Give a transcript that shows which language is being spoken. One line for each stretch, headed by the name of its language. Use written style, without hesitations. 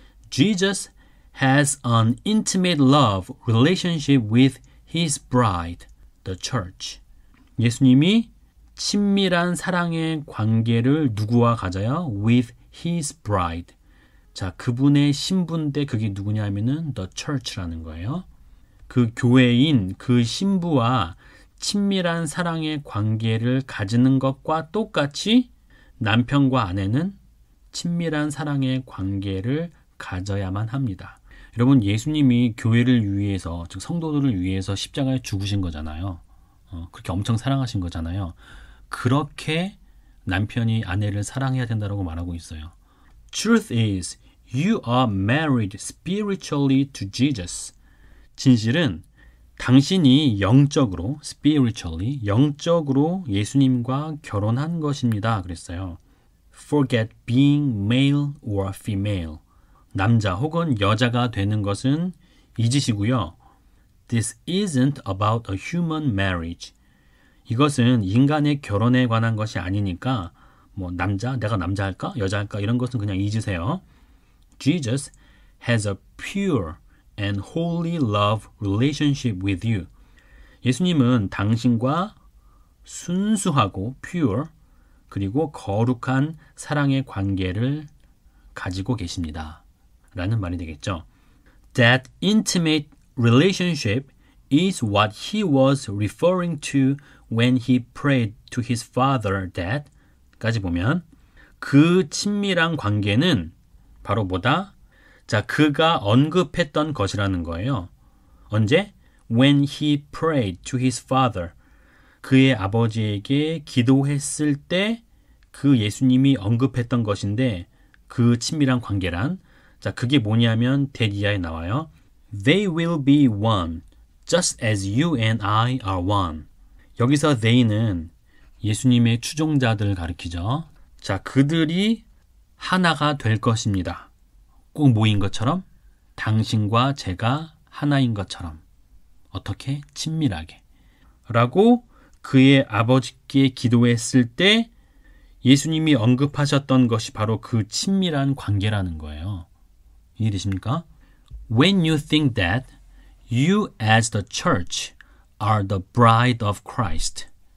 English: Jesus has an intimate love relationship with his bride, the church.
Korean: 예수님이 친밀한 사랑의 관계를 누구와 가져요?
English: With his bride.
Korean: 자, 그분의 신부인데 그게 누구냐 하면은
English: the church
Korean: 라는 거예요. 그 교회인 그 신부와 친밀한 사랑의 관계를 가지는 것과 똑같이 남편과 아내는 친밀한 사랑의 관계를 가져야만 합니다. 여러분, 예수님이 교회를 위해서, 즉 성도들을 위해서 십자가에 죽으신 거잖아요. 그렇게 엄청 사랑하신 거잖아요. 그렇게 남편이 아내를 사랑해야 된다고 말하고 있어요.
English: Truth is, you are married spiritually to Jesus.
Korean: 진실은 당신이 영적으로, spiritually, 영적으로 예수님과 결혼한 것입니다 그랬어요.
English: Forget being male or female.
Korean: 남자 혹은 여자가 되는 것은 잊으시고요.
English: This isn't about a human marriage.
Korean: 이것은 인간의 결혼에 관한 것이 아니니까 뭐 남자, 내가 남자 할까? 여자 할까? 이런 것은 그냥 잊으세요.
English: Jesus has a pure and holy love relationship with you.
Korean: 예수님은 당신과 순수하고 pure 그리고 거룩한 사랑의 관계를 가지고 계십니다 라는 말이 되겠죠.
English: That intimate relationship is what he was referring to when he prayed to his father that
Korean: 까지 보면 그 친밀한 관계는 바로 뭐다? 자, 그가 언급했던 것이라는 거예요. 언제?
English: When he prayed to his father.
Korean: 그의 아버지에게 기도했을 때 그 예수님이 언급했던 것인데 그 친밀한 관계란? 자, 그게 뭐냐면 데디아에 나와요.
English: They will be one, just as you and I are one.
Korean: 여기서 they는 예수님의 추종자들을 가리키죠. 자, 그들이 하나가 될 것입니다. 꼭 모인 것처럼, 당신과 제가 하나인 것처럼, 어떻게? 친밀하게. 라고 그의 아버지께 기도했을 때 예수님이 언급하셨던 것이 바로 그 친밀한 관계라는 거예요. 이해되십니까?
English: When you think that, you as the church are the bride of Christ.